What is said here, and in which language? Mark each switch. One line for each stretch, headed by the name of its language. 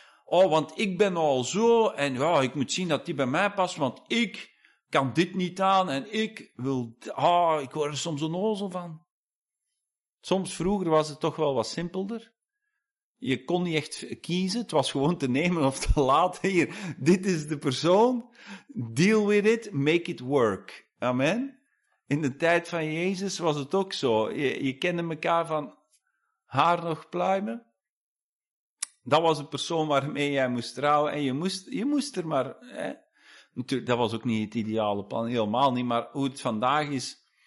Dutch: Oh, want ik ben al zo en ja, ik moet zien dat die bij mij past, want ik kan dit niet aan en ik wil, oh, ik word er soms een onnozel van. Soms vroeger was het toch wel wat simpelder. Je kon niet echt kiezen, het was gewoon te nemen of te laten. Hier, dit is de persoon,
English: deal with it, make it work.
Dutch: Amen. In de tijd van Jezus was het ook zo. Je kende elkaar van haar nog pluimen. Dat was een persoon waarmee jij moest trouwen. En je moest er maar... Hè? Natuurlijk, dat was ook niet het ideale plan. Helemaal niet. Maar hoe het vandaag is...